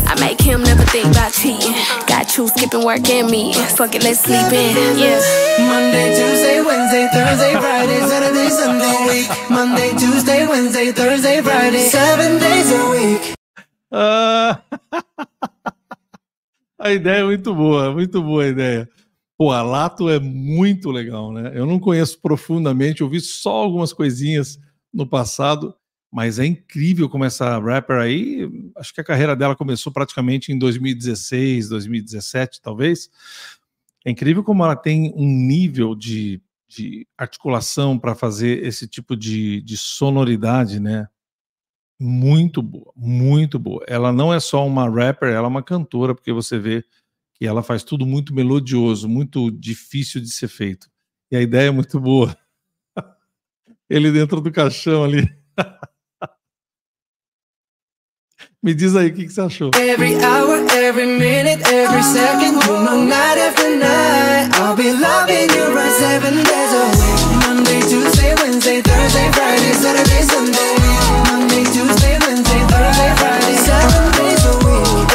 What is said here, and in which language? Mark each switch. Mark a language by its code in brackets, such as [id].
[en] I make him never think about cheating. Got you skipping work and me. Fuck it, let's sleep in, yeah. Monday, Tuesday, Wednesday, Thursday, Friday, Saturday, Sunday, week. Monday, Tuesday, Wednesday, Thursday, Friday, 7 days a week. [pt] A ideia é muito boa a ideia. Pô, a Lato é muito legal, né? Eu não conheço profundamente, ouvi só algumas coisinhas no passado, mas é incrível como essa rapper aí, acho que a carreira dela começou praticamente em 2016, 2017, talvez. É incrível como ela tem um nível de articulação para fazer esse tipo de sonoridade, né? Muito boa, muito boa. Ela não é só uma rapper, ela é uma cantora, porque você vê... E ela faz tudo muito melodioso, muito difícil de ser feito. E a ideia é muito boa. Ele dentro do caixão ali. Me diz aí, o que, que você achou? [en] Every hour, every minute, every second, no night after night, I'll be loving you right 7 days a week. Monday, Tuesday, Wednesday, Thursday, Friday, Saturday, Sunday. Monday, Tuesday, Wednesday, Thursday, Friday, 7 days a week.